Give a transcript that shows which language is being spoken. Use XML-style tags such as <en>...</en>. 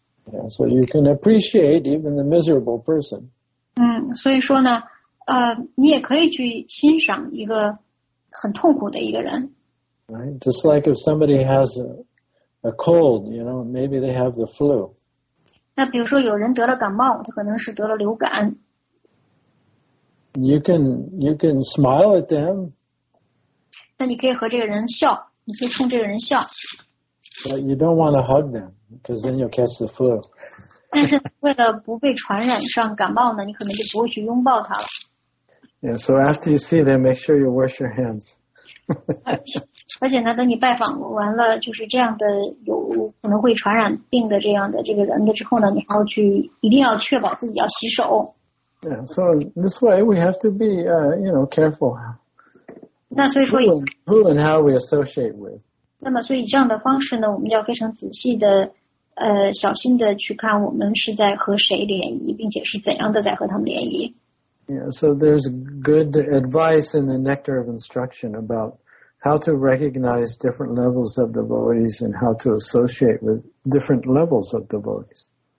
<en>Yeah, so you can appreciate even the miserable person.</en> <zh>所以说呢，你也可以去欣赏一个很痛苦的一个人。</zh> <en>Right, just like if somebody has a cold, you know, maybe they have the flu.</en> <zh>那比如说有人得了感冒，他可能是得了流感。</zh> <en>You can smile at them.</en> <zh>那你可以和这个人笑，你可以冲这个人笑。</zh> <en>But you don't want to hug them, because then you'll catch the flu.</en> <zh>但是为了不被传染上感冒呢，你可能就不会去拥抱他了。</zh> <en>Yeah, so after you see them, make sure you wash your hands.</en> <zh>而且呢，等你拜访完了，就是这样的有可能会传染病的这样的这个人的之后呢，你还要去一定要确保自己要洗手。</zh> <en>Yeah, so this way we have to be, you know, careful.</en> <zh>那所以说以</zh> <en>who and how we associate with.</en> <zh>那么所以这样的方式呢，我们要非常仔细的，小心的去看我们是在和谁联谊，并且是怎样的在和他们联谊。</zh> <en>Yeah, so there's good advice in the Nectar of Instruction about how to recognize different levels of devotees and how to associate with different levels of devotees.</en>